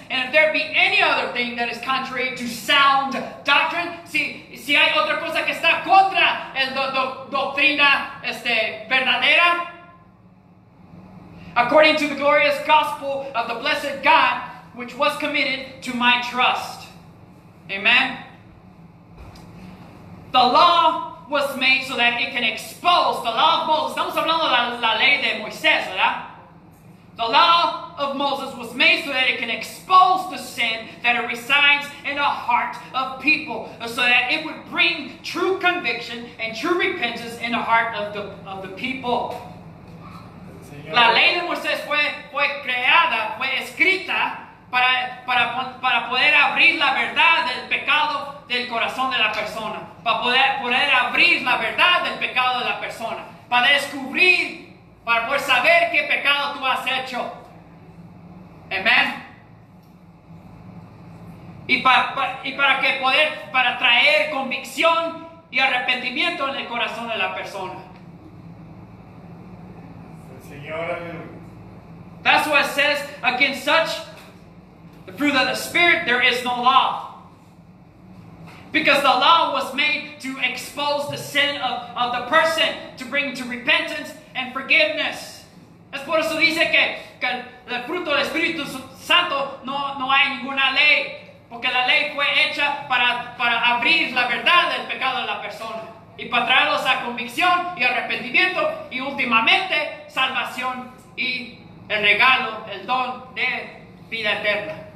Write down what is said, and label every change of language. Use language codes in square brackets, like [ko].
[en] And if there be any other thing that is contrary to sound doctrine. [es] Si hay otra cosa que está contra el doctrina verdadera. [en] According to the glorious gospel of the blessed God, which was committed to my trust. Amen. The law was made so that it can expose the law of Moses. [es] Estamos hablando de la ley de Moisés, ¿verdad? [en] The law of Moses was made so that it can expose the sin that it resides in the heart of people, so that it would bring true conviction and true repentance in the heart of the people. [es] La ley de Moisés fue creada, fue escrita para poder abrir la verdad del pecado del corazón de la persona. Para poder abrir la verdad del pecado de la persona. Para descubrir, para poder saber qué pecado tú has hecho. Amén. Y para traer convicción y arrepentimiento en el corazón de la persona. Señor. [en] That's what it says against such. The fruit of the Spirit, there is no law. Because the law was made to expose the sin of the person, to bring to repentance and forgiveness. [es] Es por eso dice que el fruto del Espíritu Santo no hay ninguna ley. Porque la ley fue hecha para abrir la verdad del pecado de la persona. Y para traerlos a convicción y arrepentimiento y últimamente salvación y el regalo, el don de vida eterna.